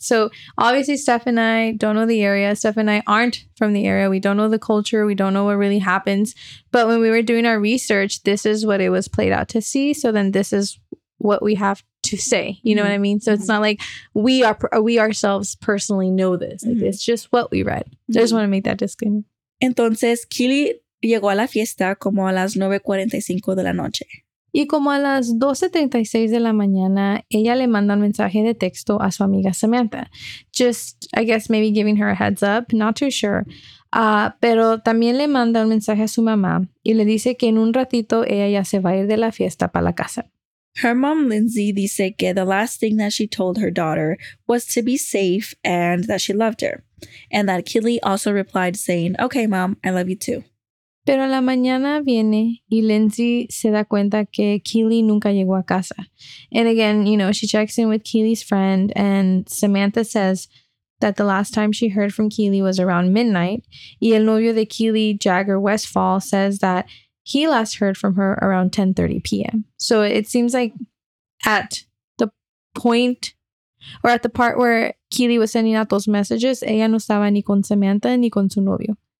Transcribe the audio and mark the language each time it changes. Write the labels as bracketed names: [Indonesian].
[English] So obviously Steph and I don't know the area. Steph and I aren't from the area. We don't know the culture. We don't know what really happens. But when we were doing our research, this is what it was played out to see. So then this is what we have to say. You know what I mean? So it's not like we ourselves personally know this. Like, it's just what we read. So I just want to make that disclaimer. [Spanish] Entonces, Kaylee llegó a la fiesta como a las 9:45 de la noche. Y como a las 12:36 de la mañana, ella le manda un mensaje de texto a su amiga Samantha. [English] Just, I guess, maybe giving her a heads up. Not too sure. [Spanish] Pero también le manda un mensaje a su mamá y le dice que en un ratito ella ya se va a ir de la fiesta para la casa. [English] Her mom, Lindsay, [Spanish] dice que [English] the last thing that she told her daughter was to be safe and that she loved her. And that Kaylee also replied saying, okay, mom, I love you too. [Spanish] Pero la mañana viene y Lindsay se da cuenta que Kaylee nunca llegó a casa. [English] And again, you know, she checks in with Keely's friend and Samantha says that the last time she heard from Kaylee was around midnight. [Spanish] Y el novio de [English] Kaylee, Jagger Westfall, says that he last heard from her around 10:30 p.m. So it seems like at the point or at the part where Kaylee was sending out those messages, [Spanish] ella no estaba ni con Samantha ni con su novio.